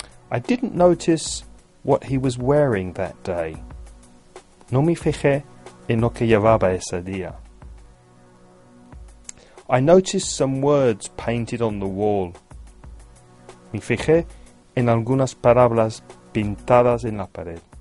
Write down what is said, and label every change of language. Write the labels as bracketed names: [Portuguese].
[English] I didn't notice what he was wearing that day. [Spanish] No me fijé en lo que llevaba ese día. [English] I noticed some words painted on the wall. [Spanish] Me fijé en algunas palabras pintadas en la pared.